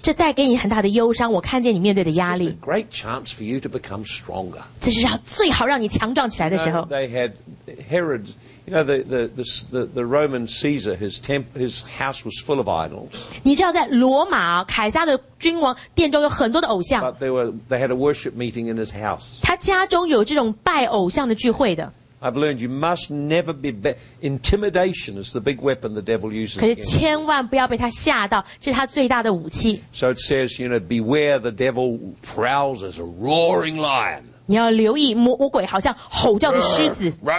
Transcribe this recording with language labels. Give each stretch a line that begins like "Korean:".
Chinese: 这带给你很大的忧伤，我看见你面对的压力。
English: Great chance for you to become stronger.
Chinese: 这是最好让你强壮起来的时候。
English: They had Herod, you know, the Roman Caesar, his house was full of idols.
Chinese: 你知道在罗马凯撒的君王殿中有很多的偶像。
English: But they had a worship meeting in his house.
Chinese: 他家中有这种拜偶像的聚会的。
English: I've learned you must never be intimidation is the big weapon the devil uses.
Chinese: 可是千万不要被他吓到，这是他最大的武器。
English: So it says, you know, beware the devil prowls as a roaring lion.
Chinese: 你要留意魔鬼好像吼叫的狮子。